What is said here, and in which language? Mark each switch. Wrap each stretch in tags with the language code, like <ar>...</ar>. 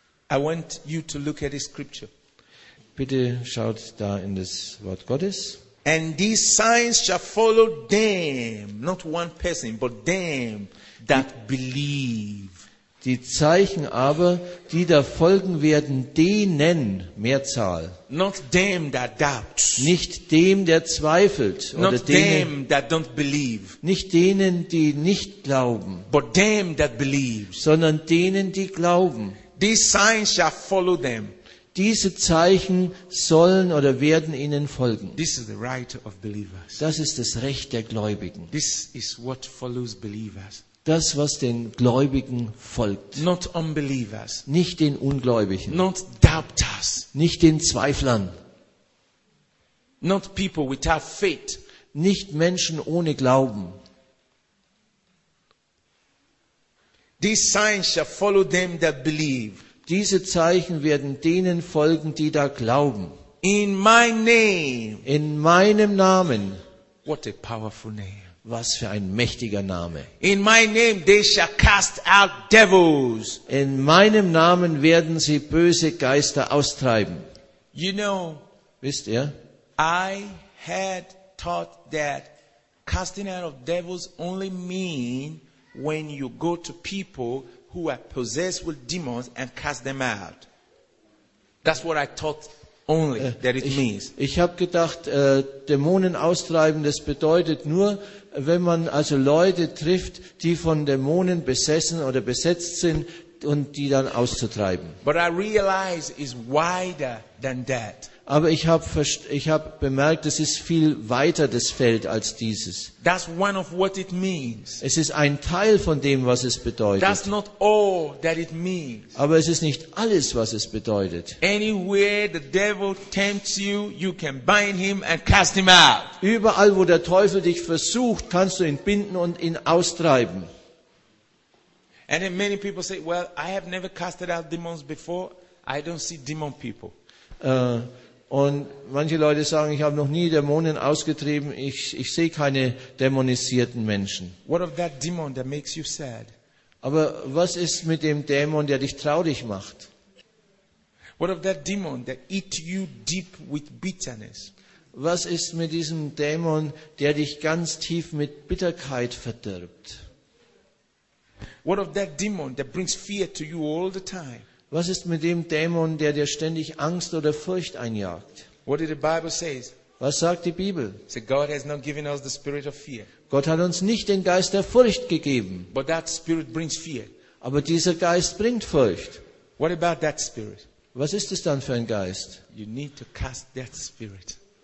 <en>I want you to look at the scripture.</en> <de>Bitte schaut da in das Wort Gottes.</de> <en>And these signs shall follow them, not one person, but them that believe.</en> <de>Die Zeichen aber, die da folgen werden, denen, Mehrzahl.</de> <en>Not them that doubt.</en> <de>Nicht dem, der zweifelt. Oder</de> <en>not</en> <de>denen,</de> <en>them that don't believe.</en> <de>Nicht denen, die nicht glauben.</de> <en>But them that believe.</en> <de>Sondern denen, die glauben.</de> <en>These signs shall follow them.</en> <de>Diese Zeichen sollen oder werden ihnen folgen.</de> <en>This is the right of believers.</en> <de>Das ist das Recht der Gläubigen.</de> <en>This is what follows believers.</en> <de>Das, was den Gläubigen folgt.</de> <en>Not unbelievers.</en> <de>Nicht den Ungläubigen.</de> <en>Not doubters.</en> <de>Nicht den Zweiflern.</de> <en>Not people without faith.</en> <de>Nicht Menschen ohne Glauben.</de> <en>These signs shall follow them that believe.</en> <de>Diese Zeichen werden denen folgen, die da glauben.</de> <en>In my name.</en> <de>In meinem Namen.</de> <en>What a powerful name.</en> <de>Was für ein mächtiger Name.</de> <en>In my name they shall cast out devils.</en> <de>In meinem Namen werden sie böse Geister austreiben.</de> <en>You know,</en> <de>wisst ihr?</de> <en>I had thought that casting out of devils only mean when you go to people who are possessed with demons and cast them out. That's what I thought. Only that it means.</en> <de>Ich habe gedacht, Dämonen austreiben, das bedeutet nur, wenn man also Leute trifft, die von Dämonen besessen oder besetzt sind und die dann auszutreiben.</de> <en>But I realize it's wider than that.</en> <de>Aber ich habe bemerkt, es ist viel weiter das Feld als dieses.</de> <en>That's one of what it means.</en> <de>Es ist ein Teil von dem, was es bedeutet.</de> <en>That's not all that it means.</en> <de>Aber es ist nicht alles, was es bedeutet.</de> <en>Anywhere the devil tempts you, you can bind him and cast him out.</en> <de>Überall, wo der Teufel dich versucht, kannst du ihn binden und ihn austreiben.</de> <en>And then many people say, well, I have never casted out demons before. I don't see demon people.</en> <de>Und manche Leute sagen, ich habe noch nie Dämonen ausgetrieben, ich sehe keine dämonisierten Menschen.</de> <en>What of that demon that makes you sad?</en> <de>Aber was ist mit dem Dämon, der dich traurig macht?</de> <en>What of that demon that eat you deep with bitterness?</en> <de>Was ist mit diesem Dämon, der dich ganz tief mit Bitterkeit verdirbt?</de> <en>What of that demon that brings fear to you all the time?</en> <de>Was ist mit dem Dämon, der dir ständig Angst oder Furcht einjagt?</de> <en>What did the Bible say?</en> <de>Was sagt die Bibel?</de> <en>So God has not given us the spirit of fear.</en> <de>Gott hat uns nicht den Geist der Furcht gegeben.</de> <en>But that spirit brings fear.</en> <de>Aber dieser Geist bringt Furcht.</de> <en>What about that spirit?</en> <de>Was ist es dann für ein Geist?</de> <en>You need to cast that spirit.</en>